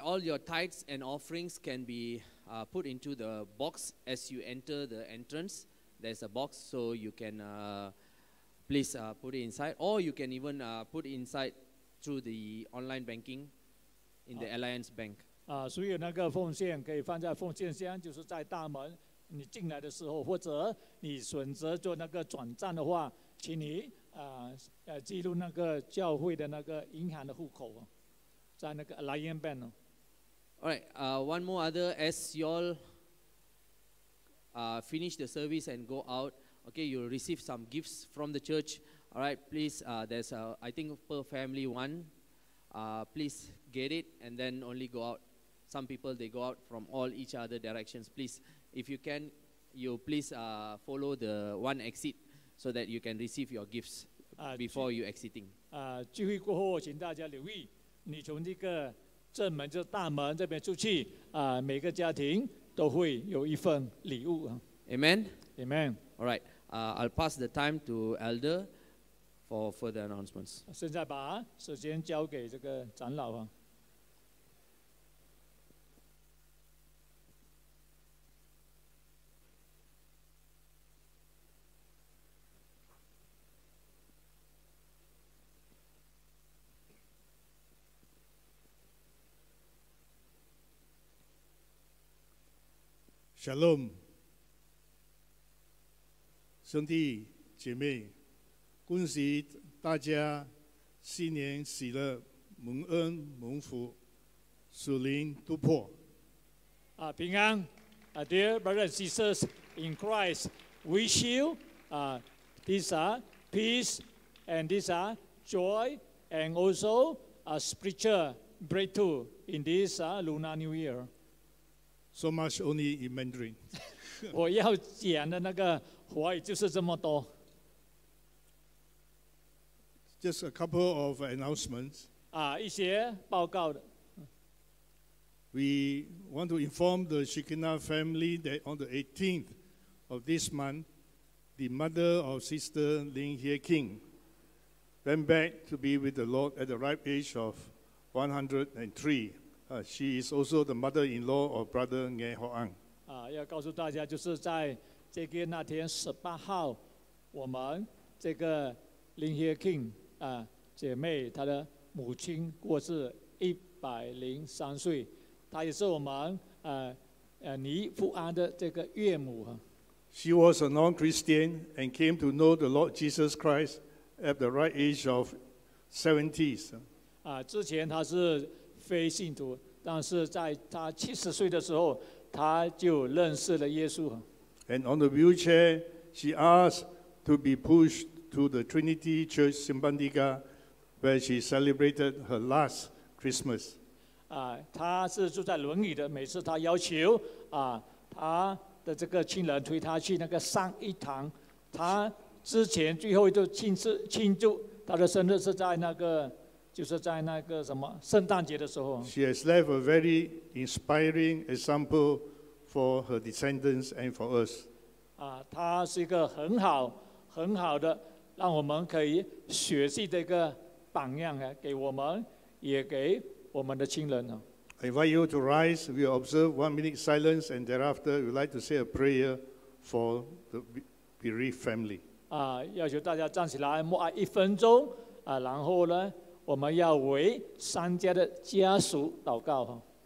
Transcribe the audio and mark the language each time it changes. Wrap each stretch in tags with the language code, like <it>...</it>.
<en>all your tithes and offerings can be put into the box as you enter the entrance. There's a box, so you can please put it inside, or you can even put it inside through the online banking in the Alliance Bank.</en> <zh>所有那个奉献可以放在奉献箱，就是在大门你进来的时候，或者你选择做那个转账的话。请你记录那个教会的那个银行的户口，在那个 Alliance Bank.</zh> <en>Alright, one more other. As y'all finish the service and go out, okay, you'll receive some gifts from the church. Alright, please, there's a, I think per family one. Please get it and then only go out. Some people they go out from all each other directions. Please, if you can, you please follow the one exit. So that you can receive your gifts before you exiting.</en> <zh>聚会过后，请大家留意，你从这个正门，就大门这边出去，每个家庭都会有一份礼物。Amen.</zh> <en>Amen. All right. I'll pass the time to Elder for further announcements.</en> <zh>现在把时间交给这个长老啊。 Shalom, 兄弟姐妹，恭喜大家新年喜乐，蒙恩蒙福，属灵突破。平安。</zh> <en>Dear brothers and sisters in Christ, wish you these are peace and these are joy and also a spiritual breakthrough in this Lunar New Year. So much only in Mandarin.</en> <zh>我要讲的那个华语就是这么多。</zh> <en>Just a couple of announcements.</en> <zh>一些报告的。</zh> <en>We want to inform the Shekinah family that on the 18th of this month, the mother of Sister Lin Hye King went back to be with the Lord at the ripe age of 103. She is also the mother-in-law of Brother Nghe Ho Ang.</en> <zh>要告诉大家，就是在这个那天18号，我们这个 Lin Hye King 姐妹她的母亲过世103岁她也是我们尼富安的这个岳母。</zh> <en>She was a non-Christian and came to know the Lord Jesus Christ at the right age of 70s.</en> <zh>之前她是非信徒，但是在她70岁的时候，她就认识了耶稣。</zh> <en>And on the wheelchair, she asked to be pushed to the Trinity Church Simbandiga, where she celebrated her last Christmas.</en> <zh>她是住在轮椅的，每次她要求她的这个亲人推她去那个上一堂。她之前最后就庆祝她的生日是在那个，就是在那个什么圣诞节的时候。</zh> <en>She has left a very inspiring example for her descendants and for us.</en> <zh>她是一个很好的，让我们可以学习这个榜样啊，给我们，也给我们的亲人啊。</zh> <en>I invite you to rise. We observe 1 minute silence, and thereafter, we'd like to say a prayer for the bereaved family.</en> <zh>要求大家站起来，默哀一分钟啊，然后呢？我们要为三家的家属祷告。</zh>